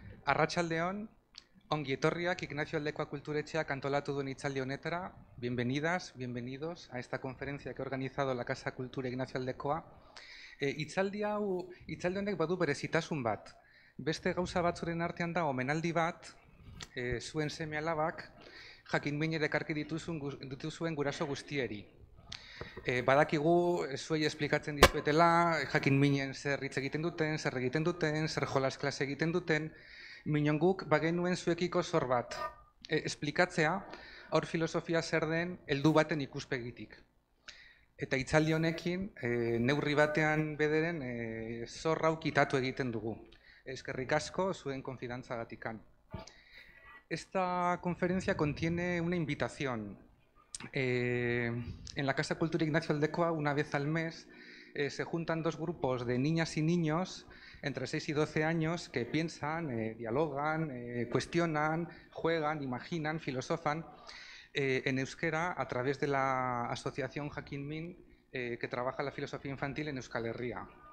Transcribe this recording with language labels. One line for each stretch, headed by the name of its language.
Basque: Arratsaldeon, ongi etorriak Ignacio Aldekoa Kulturetxeak antolatu duen hitzaldi honetara.
Spanish: Bienvenidas, bienvenidos a esta conferencia que ha organizado la Casa Cultura Ignacio Aldekoa.
Basque: Hitzaldi hau, hitzaldi honek badu berezitasun bat. Beste gauza batzuren artean da omenaldi bat, zuen seme-alabak jakin minik ekarri dituzuen guraso guztieri. Badakigu, zuei esplikatzen dizuetela, jakin minen zer hitz egiten duten, zer egiten duten, zer jolas klase egiten duten, minon guk bagenuen zuekiko zor bat. Esplikatzea, haur filosofia zer den, heldu baten ikuspegitik. Eta hitzaldi honekin, neurri batean bederen, zor hau kitatu egiten dugu. Eskerrik asko, zuen konfidantzagatikan.
Spanish: Esta konferentzia contiene una invitación. En la Casa Cultura Ignacio Aldekoa, una vez al mes, se juntan dos grupos de niñas y niños entre 6 y 12 años que piensan, dialogan, cuestionan, juegan, imaginan, filosofan en euskera a través de la asociación Jakin Min que trabaja la filosofía infantil en Euskal Herria.